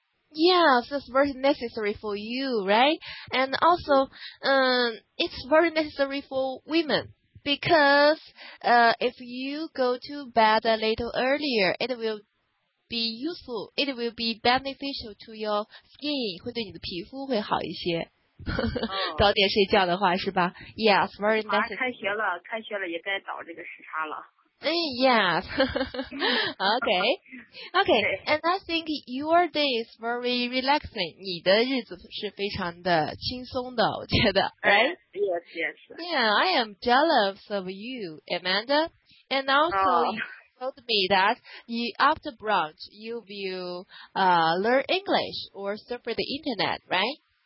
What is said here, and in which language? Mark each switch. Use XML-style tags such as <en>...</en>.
<en>Yes, it's very necessary for you, right? And also, it's very necessary for women because, if you go to bed a little earlier, it will be useful. It will be beneficial to your skin.</en> <zh>会对你的皮肤会好一些。早点睡觉的话，是吧 ？</zh> <en>Yes, very necessary.</en> <zh>开学了，也该倒这个时差了。</zh> <en>Yes. Okay. And I think your day is very relaxing.</en> <zh>你的日子是非常的轻松的，我觉得 ，</zh> <en>right? Yes, yes. Yeah, I am jealous of you, Amanda. And also, you told me that you, after brunch, you will learn English or surf the internet, right?</en>